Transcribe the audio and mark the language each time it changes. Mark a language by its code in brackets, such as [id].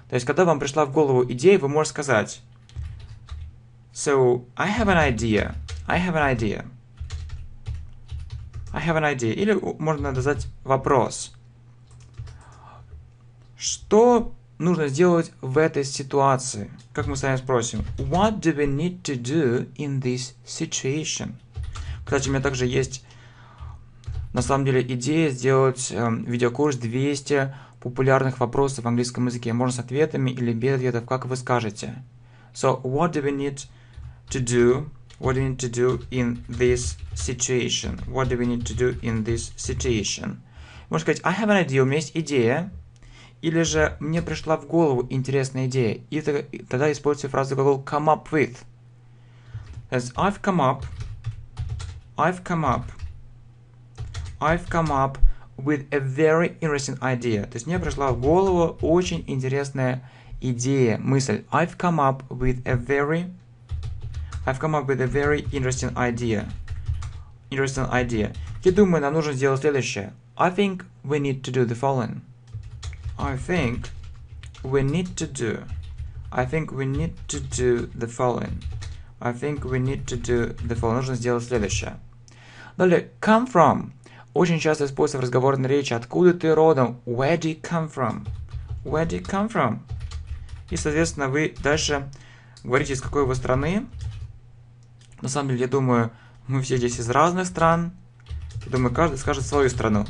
[ru] То есть, когда вам пришла в голову идея, вы можете сказать. [en] So, I have an idea. I have an idea. I have an idea. [ru] Или можно задать вопрос. Что нужно сделать в этой ситуации? Как мы с вами спросим? [en] What do we need to do in this situation? [ru] Кстати, у меня также есть, на самом деле, идея сделать видеокурс 200 популярных вопросов в английском языке. Можно с ответами или без ответов, как вы скажете. [en] So, what do we need to do, what do we need to do in this situation? What do we need to do in this situation? [ru] Можно сказать, [en] I have an idea, [ru] у меня есть идея. Или же, мне пришла в голову интересная идея. И тогда используйте фразу глагол come up with. [en] As I've come up with a very interesting idea. [ru] То есть, мне пришла в голову очень интересная идея, мысль. [en] I've come up with a very interesting idea. Interesting idea. [ru] Я думаю, нам нужно сделать следующее. [en] I think we need to do the following. I think we need to do. I think we need to do the following. I think we need to do the following. [ru] Нужно сделать следующее. Далее, come from. Очень часто используется в разговорной речи. Откуда ты родом? [en] Where do you come from? Where do you come from? [ru] И, соответственно, вы дальше говорите, из какой вы страны. На самом деле, я думаю, мы все здесь из разных стран. Я думаю, каждый скажет свою страну.